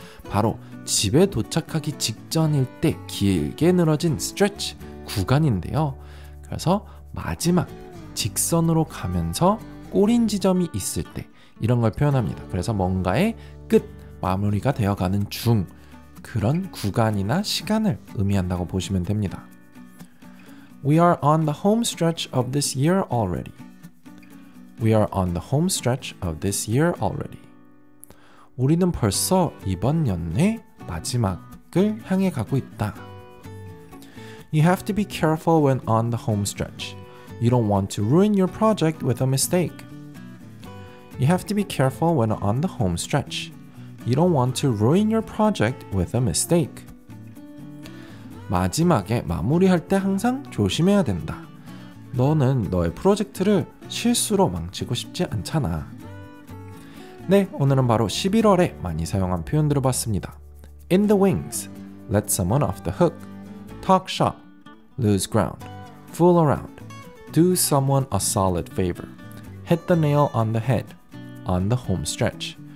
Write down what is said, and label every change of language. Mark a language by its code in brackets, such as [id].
[ko] 바로 집에 도착하기 직전일 때 길게 늘어진 stretch 구간인데요. 그래서 마지막 직선으로 가면서 꼬린 지점이 있을 때 이런 걸 표현합니다. 그래서 뭔가의 끝, 마무리가 되어가는 중, 그런 구간이나 시간을 의미한다고 보시면 됩니다. [en] We are on the home stretch of this year already. We are on the home stretch of this year already. [ko] 우리는 벌써 이번 연내 마지막을 향해 가고 있다. [en] You have to be careful when on the home stretch. You don't want to ruin your project with a mistake. You have to be careful when on the home stretch. You don't want to ruin your project with a mistake. [ko] 마지막에 마무리할 때 항상 조심해야 된다. 너는 너의 프로젝트를 실수로 망치고 싶지 않잖아. 네, 오늘은 바로 11월에 많이 사용한 표현들을 봤습니다. [en] In the wings, let someone off the hook, talk shop, lose ground, fool around, do someone a solid favor, hit the nail on the head, on the home stretch.